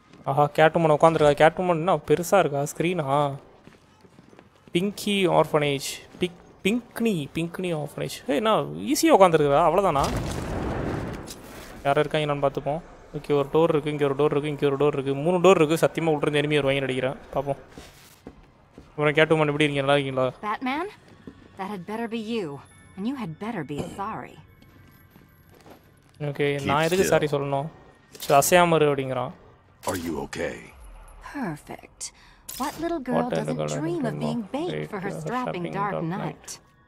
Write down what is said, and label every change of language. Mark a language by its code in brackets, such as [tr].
[ta] ஆஹா, கேட்வுமன் உட்காந்துருக்கா. கேட்வுமன் என்ன பெருசாக இருக்கா ஸ்க்ரீனா? Pinki orphanage, பிங்க்னி orphanage. ஹே, என்ன ஈஸியாக உட்காந்துருக்குறா, அவ்வளோதானா? யாரும் இருக்கா என்னன்னு பார்த்துப்போம். இங்கே ஒரு டோர் இருக்குது, இங்கே ஒரு டோர் இருக்குது, இங்கே ஒரு டோர் இருக்குது, மூணு டோர் இருக்குது. சத்தியமாக உள்ளிருந்து எனிமி வருவாங்க நினைக்கிறேன், பார்ப்போம். அப்புறம் கேட்வுமன் எப்படி இருக்கீங்க, நல்லா இருக்கீங்களா? [en] Batman, that had better be you and you had better be sorry. [ta] Okay, நான் எதுக்கு சாரி சொல்லணும்? அசையாமரு அப்படிங்கிறான். [en] Are you okay? Perfect. What little girl what doesn't girl dream of being bait for her strapping dark nut?